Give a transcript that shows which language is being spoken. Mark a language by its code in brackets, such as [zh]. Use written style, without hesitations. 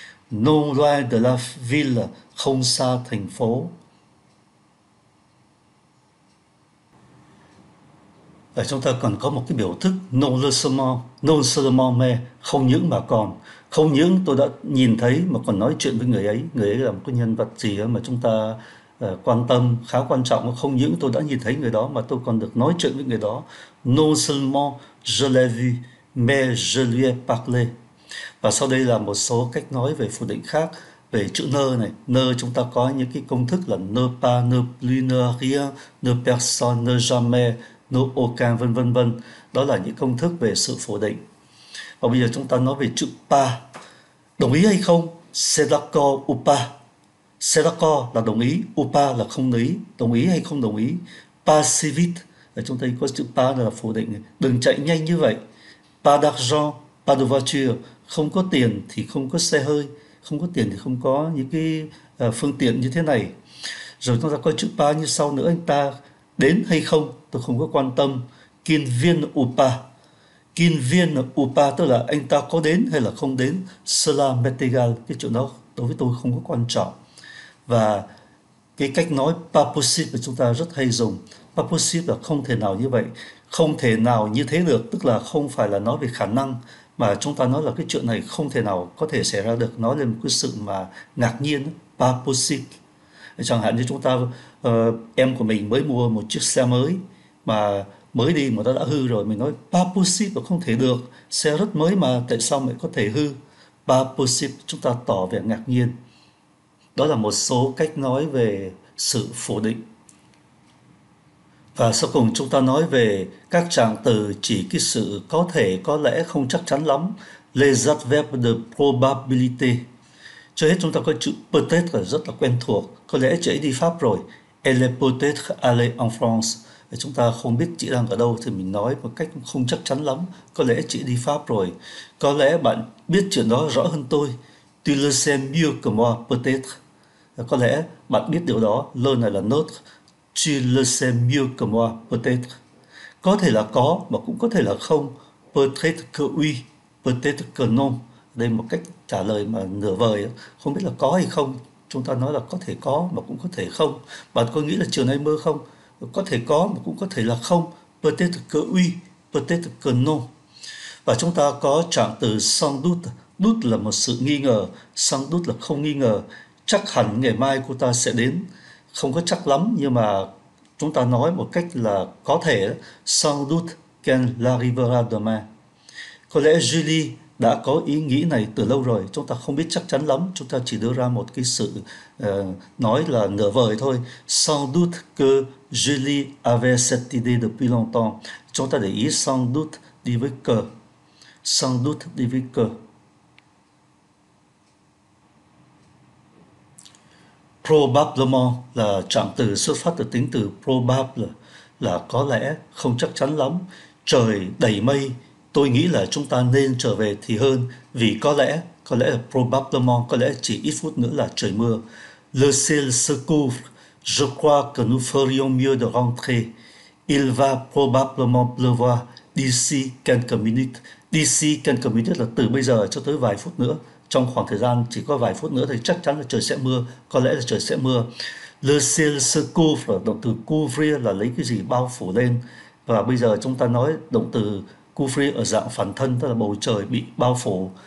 [fr] Non loin de la ville, [vi] không xa thành phố. Và chúng ta còn có một cái biểu thức non seulement, non seulement mais, không những mà còn. Không những tôi đã nhìn thấy mà còn nói chuyện với người ấy. Người ấy là một cái nhân vật gì mà chúng ta quan tâm, khá quan trọng. Không những tôi đã nhìn thấy người đó mà tôi còn được nói chuyện với người đó. [fr] Non seulement je l'ai vu, mais je lui ai parlé. [vi] Và sau đây là một số cách nói về phủ định khác. Về chữ nơ này, nơ chúng ta có những cái công thức là ne pas, ne plus, ne rien, ne personne, ne jamais, no aucun, vân vân vân. Đó là những công thức về sự phủ định. Và bây giờ chúng ta nói về chữ pas. Đồng ý hay không? [fr] C'est d'accord ou pas? [vi] C'est d'accord là đồng ý, ou pas là không đồng ý. Đồng ý hay không đồng ý? [fr] Pas si vite. [vi] Ở trong đây có chữ pas là phủ định. Đừng chạy nhanh như vậy. [fr] Pas d'argent, pas de voiture. [vi] Không có tiền thì không có xe hơi. Không có tiền thì không có những cái phương tiện như thế này. Rồi chúng ta có chữ pas như sau nữa. Anh ta đến hay không? Tôi không có quan tâm. Kin viên upa. Kin viên upa tức là anh ta có đến hay là không đến. [fr] Cela m'est égal. [vi] Cái chỗ đó đối với tôi không có quan trọng. Và cái cách nói pas possible mà chúng ta rất hay dùng. Pas possible là không thể nào như vậy. Không thể nào như thế được. Tức là không phải là nói về khả năng. Mà chúng ta nói là cái chuyện này không thể nào có thể xảy ra được. Nói lên một cái sự mà ngạc nhiên. Pas possible. Chẳng hạn như chúng ta, em của mình mới mua một chiếc xe mới mà mới đi mà nó đã hư rồi. Mình nói pas possible là không thể được. Xe rất mới mà tại sao lại có thể hư? Pas possible, chúng ta tỏ vẻ ngạc nhiên. Đó là một số cách nói về sự phủ định. Và sau cùng chúng ta nói về các trạng từ chỉ cái sự có thể, có lẽ, không chắc chắn lắm. [fr] Les adverbes de probabilité. [vi] Trước hết chúng ta có chữ peut-être là rất là quen thuộc. Có lẽ chị ấy đi Pháp rồi. [fr] Elle est peut-être allée en France. [vi] Chúng ta không biết chị đang ở đâu thì mình nói một cách không chắc chắn lắm. Có lẽ chị đi Pháp rồi. Có lẽ bạn biết chuyện đó rõ hơn tôi. [fr] Tu le sais mieux que moi, peut-être. [vi] Có lẽ bạn biết điều đó. [fr] Le này là notre. Tu le sais mieux que moi, peut-être. [vi] Có thể là có mà cũng có thể là không. [fr] Peut-être que oui, peut-être que non. [vi] Đây một cách trả lời mà nửa vời, không biết là có hay không. Chúng ta nói là có thể có mà cũng có thể không. Bạn có nghĩ là chiều nay mưa không? Có thể có mà cũng có thể là không. [fr] Peut-être que oui, peut-être que non. [vi] Và chúng ta có trạng từ sans doute. Doute là một sự nghi ngờ. Sans doute là không nghi ngờ. Chắc hẳn ngày mai cô ta sẽ đến. Không có chắc lắm nhưng mà chúng ta nói một cách là có thể. [fr] Sans doute qu'elle arrivera demain. [vi] Có lẽ Julie đã có ý nghĩ này từ lâu rồi. Chúng ta không biết chắc chắn lắm. Chúng ta chỉ đưa ra một cái sự nói là nửa vời thôi. [fr] Sans doute que Julie avait cette idée depuis longtemps. [vi] Chúng ta để ý sans doute đi với que. Sans doute đi với que. Probablement là trạng từ xuất phát từ tính từ probable là có lẽ, không chắc chắn lắm. Trời đầy mây, tôi nghĩ là chúng ta nên trở về thì hơn, vì có lẽ là probablement, có lẽ chỉ ít phút nữa là trời mưa. [fr] Le ciel se couvre, je crois que nous ferions mieux de rentrer. Il va probablement pleuvoir d'ici quelques minutes. [vi] D'ici quelques minutes là từ bây giờ cho tới vài phút nữa. Trong khoảng thời gian chỉ có vài phút nữa thì chắc chắn là trời sẽ mưa. Có lẽ là trời sẽ mưa. [fr] Le ciel se couvre, [vi] động từ couvrir là lấy cái gì bao phủ lên. Và bây giờ chúng ta nói động từ couvrir ở dạng phần thân, tức là bầu trời bị bao phủ.